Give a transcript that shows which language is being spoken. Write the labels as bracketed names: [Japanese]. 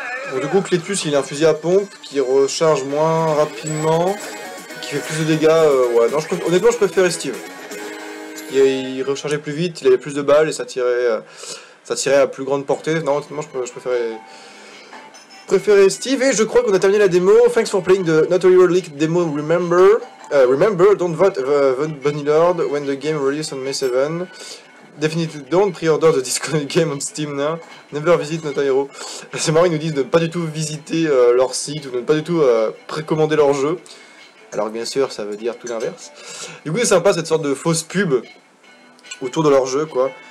[French] Donc, du coup, Cletus, il a un fusil à pompe qui recharge moins rapidement, qui fait plus de dégâts. Ouais, non, honnêtement, je préfère Steve. il rechargeait plus vite, il avait plus de balles et ça tirait à plus grande portée. Non, honnêtement, je préférais Steve. Et je crois qu'on a terminé la démo. [English] Thanks for playing the Not a Hero League demo. Remember, remember, don't vote Bunny Lord when the game releases on May 7. Definitely don't pre-order the Discord game on Steam now. Never visit Not a Hero. [French] C'est marrant, ils nous disent de ne pas du tout visiter leur site ou de ne pas du tout précommander leur jeu. Alors bien sûr, ça veut dire tout l'inverse. Du coup, c'est sympa cette sorte de fausse pub autour de leur jeu, quoi.